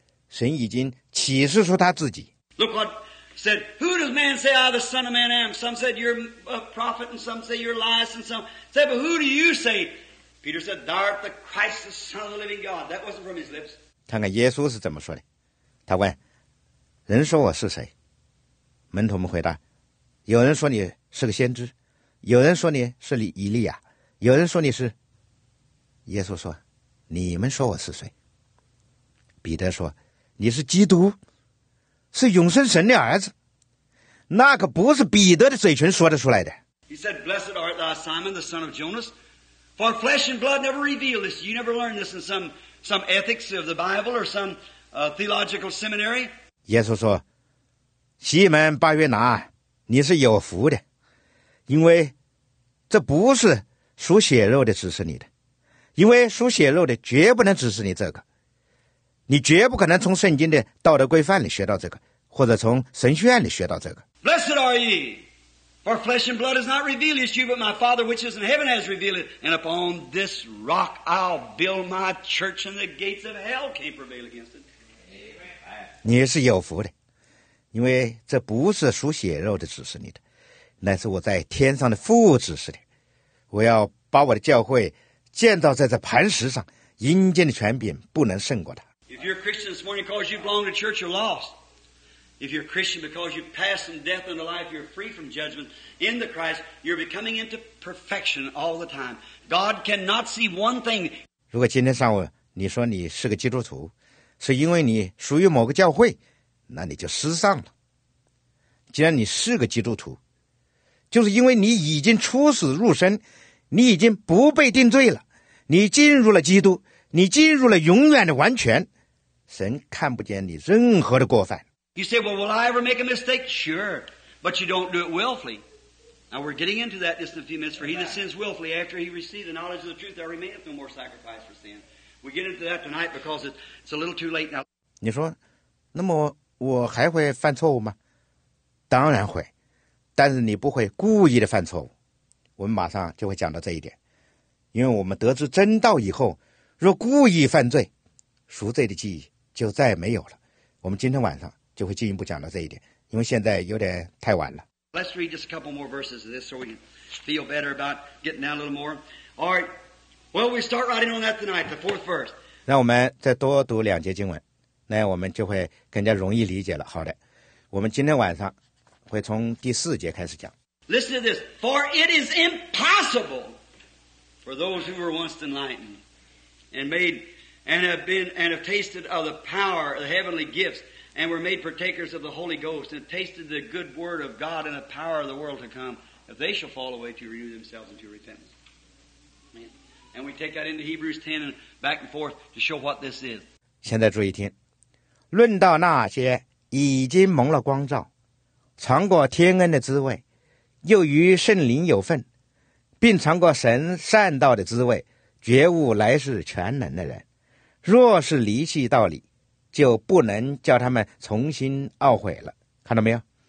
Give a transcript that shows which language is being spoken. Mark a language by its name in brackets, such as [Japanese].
[Chinese] 神已经启示出他自己。 [English] Look what said, who does man say I the son of man am? Some said you're a prophet, and some say you're Elias, and some said, but who do you say? Peter said, thou art the Christ, the son of the living God. That wasn't from his lips. [Chinese] 看看耶稣是怎么说的。他问，人说我是谁？门徒们回答，有人说你是个先知，有人说你是以利亚，有人说你是……耶稣说，你们说我是谁？彼得说，你是基督，是永生神的儿子。那可不是彼得的嘴唇说得出来的。 [English] He said, blessed art thou, Simon, the son of Jonas, for flesh and blood never revealed this. You never learned this in some ethics of the Bible or some theological seminary. [Chinese] 耶稣说，西门巴约拿，你是有福的，因为这不是属血肉的指示你的，因为属血肉的绝不能指示你这个。你绝不可能从圣经的道德规范里学到这个，或者从神学院里学到这个。 [English] Blessed are ye, for flesh and blood has not revealed it to you, but my Father which is in heaven has revealed it. And upon this rock I'll build my church, and the gates of hell can't prevail against it. [Chinese] 你是有福的，因为这不是属血肉的指示你的，乃是我在天上的父指示的。我要把我的教会建造在这磐石上，阴间的权柄不能胜过它。 [English] If you're a Christian this morning because you belong to church, you're lost. If you're a Christian because you pass from death into life, you're free from judgment in the Christ, you're becoming into perfection all the time. God cannot see one thing. [Chinese] 如果今天上午你说你是个基督徒，是因为你属于某个教会，那你就失丧了。既然你是个基督徒，就是因为你已经出死入生，你已经不被定罪了，你进入了基督，你进入了永远的完全。神看不见你任何的过犯。 [English] You say, well, will I ever make a mistake? Sure, but you don't do it willfully. Now we're getting into that just in a few minutes. For he that sins willfully, after he receives the knowledge of the truth, there remaineth no more sacrifice for sin. We get into that tonight because it's a little too late now. [Chinese] 你说，那么我还会犯错误吗？当然会，但是你不会故意的犯错误。我们马上就会讲到这一点，因为我们得知真道以后，若故意犯罪，赎罪的记忆就再也没有了。我们今天晚上就会进一步讲到这一点，因为现在有点太晚了。 [English] Let's read just a couple more verses of this so we can feel better about getting down a little more. All right, well, we start writing on that tonight, the fourth verse. [Chinese] 让我们再多读两节经文，那我们就会更加容易理解了。好的，我们今天晚上会从第四节开始讲。 [English] Listen to this. For it is impossible for those who were once enlightened and made and have been and have tasted of the power of the heavenly gifts and were made partakers of the Holy Ghost and tasted the good word of God and the power of the world to come, if they shall fall away to renew themselves into repentance. Amen. And we take that into Hebrews 10 and back and forth to show what this is. [Chinese] 现在注意听，论到那些已经蒙了光照，尝过天恩的滋味，又与圣灵有份，并尝过神善道的滋味，觉悟来世全能的人，若是离弃道理，就不能叫他们重新懊悔了。看到没有？